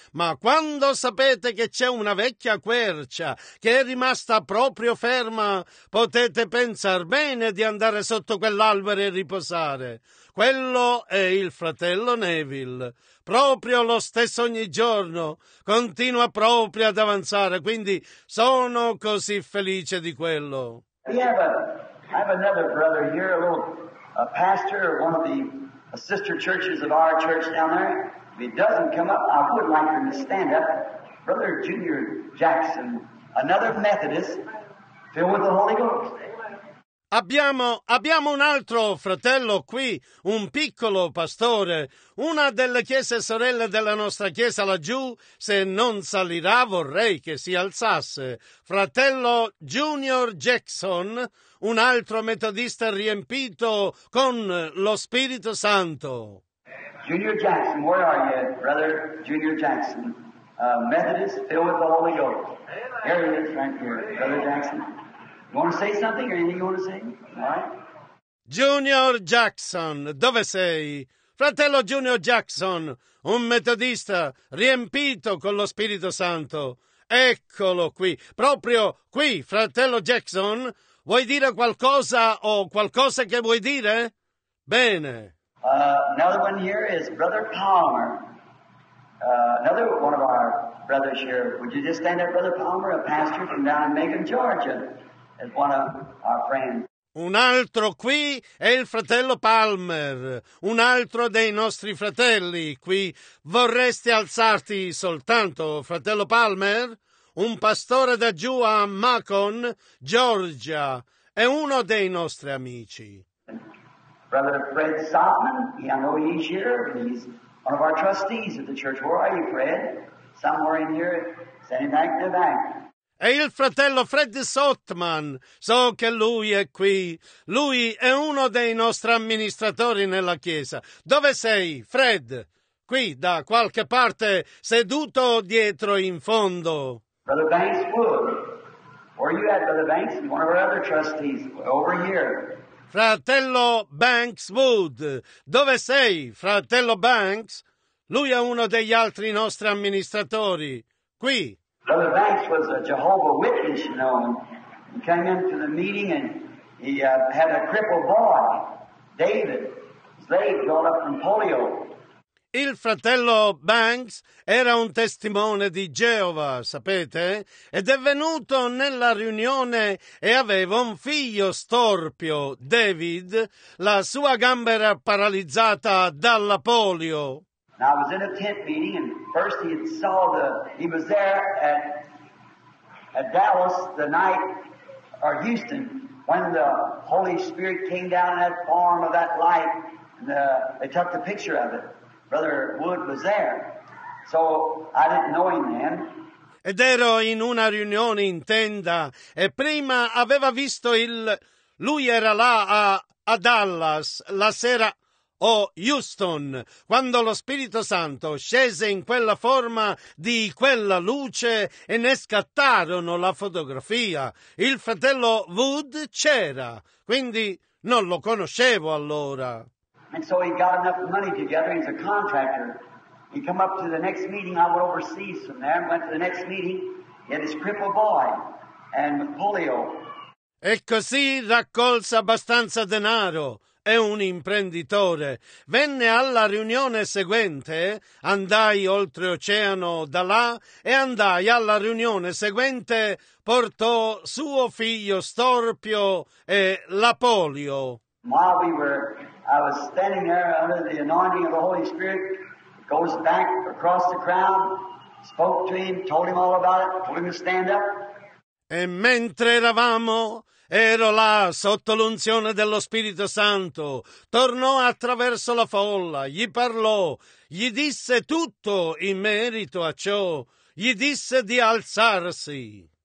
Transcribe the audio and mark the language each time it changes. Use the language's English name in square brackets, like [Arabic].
[Italian] Ma quando sapete che c'è una vecchia quercia che è rimasta proprio ferma, potete pensar bene di andare sotto quell'albero e riposare. Quello è il fratello Neville. Proprio lo stesso ogni giorno, continua proprio ad avanzare, quindi sono così felice di quello. [English] I have another brother here, a pastor of one of the sister churches of our church down there. If he doesn't come up, I would like him to stand up. Brother Junior Jackson, another Methodist, filled with the Holy Ghost. [Italian] Abbiamo un altro fratello qui, un piccolo pastore, una delle chiese sorelle della nostra chiesa laggiù. Se non salirà, vorrei che si alzasse. Fratello Junior Jackson, un altro metodista riempito con lo Spirito Santo. [English] Junior Jackson, where are you, brother Junior Jackson? Methodist filled with the Holy Ghost. Here he is, right here, brother Jackson. You want to say something or anything you want to say? All right. [Italian] Junior Jackson, dove sei? Fratello Junior Jackson, un metodista riempito con lo Spirito Santo. Eccolo qui, proprio qui, fratello Jackson. Vuoi dire qualcosa o qualcosa che vuoi dire? Bene. [English] Another one here is Brother Palmer. Another one of our brothers here, would you just stand up, Brother Palmer, a pastor from down in Macon, Georgia, as one of our friends. [Italian] Un altro qui è il fratello Palmer, un altro dei nostri fratelli qui. Vorresti alzarti soltanto, fratello Palmer? Un pastore da giù a Macon, Georgia, è uno dei nostri amici. [English] Brother Fred Sotman, I know he's here, he's one of our trustees at the church. Where are you, Fred? Somewhere in here, sitting back to back. [Italian] E il fratello Fred Sotman, so che lui è qui. Lui è uno dei nostri amministratori nella chiesa. Dove sei, Fred? Qui, da qualche parte, seduto dietro in fondo. [English] Brother Banks Wood. Where are you at, Brother Banks? One of our other trustees. Over here. [Italian] Fratello Banks Wood. Dove sei, fratello Banks? Lui è uno degli altri nostri amministratori. Qui. [English] Brother Banks was a Jehovah's Witness, you know, and he came into the meeting and he had a crippled boy, David, his leg got up from polio. [Italian] Il fratello Banks era un testimone di Geova, sapete? Ed è venuto nella riunione e aveva un figlio storpio, David, la sua gamba era paralizzata dalla polio. [English] Now I was in a tent meeting and first he had saw the, he was there at Dallas the night, or Houston, when the Holy Spirit came down in that form of that light and they took the picture of it. Brother Wood was there. So I didn't know him then. [Italian] Ed ero in una riunione in tenda e prima aveva visto il, lui era là a Dallas la sera. Oh, Houston, quando lo Spirito Santo scese in quella forma di quella luce e ne scattarono la fotografia, il fratello Wood c'era, quindi non lo conoscevo allora. [English] And so he got enough money together, he's a contractor. He come up to the next meeting, I went overseas from there, went to the next meeting, he had his crippled boy and polio. [Italian] E così raccolse abbastanza denaro. È un imprenditore. Venne alla riunione seguente, andai oltreoceano da là e andai alla riunione seguente, portò suo figlio storpio e la polio. [English] While we were, I was standing there under the anointing of the Holy Spirit, goes back across the crowd, spoke to him, told him all about it, told him to stand up. [Italian] E mentre eravamo, ero là sotto l'unzione dello Spirito Santo, tornò attraverso la folla, gli parlò, gli disse tutto in merito a ciò, gli disse di alzarsi.